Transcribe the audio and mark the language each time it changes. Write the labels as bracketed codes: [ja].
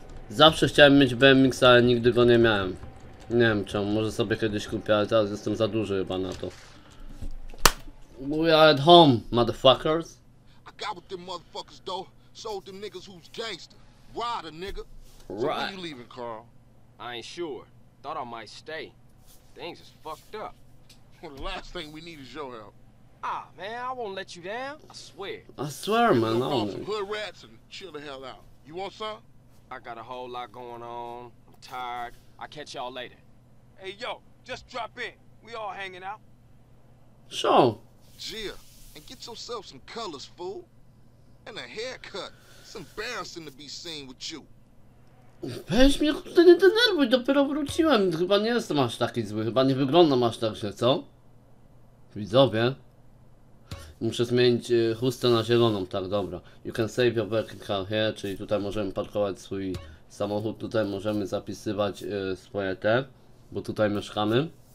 [pl] Zawsze chciałem mieć BMX, ale nigdy go nie miałem. Nie wiem czemu, może sobie kiedyś kupię, ale teraz jestem za duży chyba na to. [en] We are at home, motherfuckers. I got with them motherfuckers though. Sold them niggas who's gangster. Ride a nigga. Right. So when you leaving, Carl? I ain't sure. Thought I might stay. Things is fucked up. Well, the last thing we need is your help. Ah, man, I won't let you down. I swear. I swear, man. You want some hood rats and chill the hell out. You want some? I got a whole lot going on. I'm tired. I'll catch y'all later. Hey, yo, just drop in. We all hanging out. Sure. Gia, and get yourself some colors, fool. And a haircut. It's embarrassing to be seen with you. [pl] Weź mnie, kurde, nie denerwuj. Dopiero wróciłem. Chyba nie jestem aż taki zły. Chyba nie wyglądam aż tak źle, co? Widzowie. Muszę zmienić chustę na zieloną, tak, dobra. [en] You can save your working car here, [pl] czyli tutaj możemy parkować swój samochód, tutaj możemy zapisywać swoje te, bo tutaj mieszkamy.